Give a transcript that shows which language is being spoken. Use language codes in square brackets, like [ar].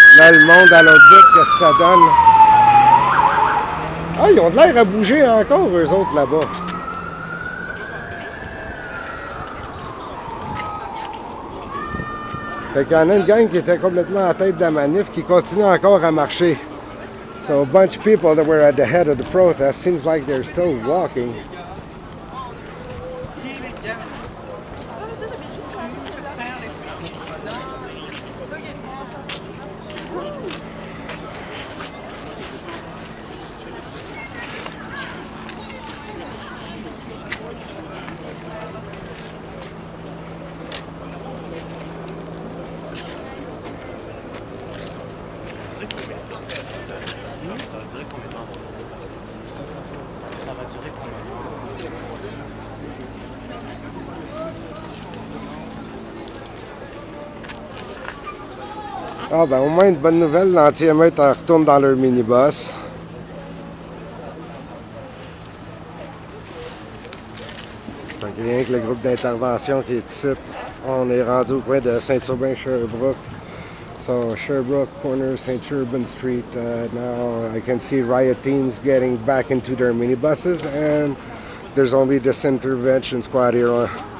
[fr] Le monde à l'autre bout, qu'est-ce que ça donne? Ah, ils ont de l'air à bouger encore, eux autres, là-bas. Fait qu'il y en a une gang qui était complètement à la tête de la manif, qui continue encore à marcher. [en] So, a bunch of people that were at the head of the protest, seems like they're still walking. [fr] Ah ben au moins une bonne nouvelle, l'anti-émeute retourne dans leur minibus. Donc rien que le groupe d'intervention qui est ici, on est rendu au coin de Saint-Urbain-Sherbrooke. [en] So Sherbrooke corner, Saint-Urbain Street. Now I can see riot teams getting back into their minibuses and there's only this intervention squad here.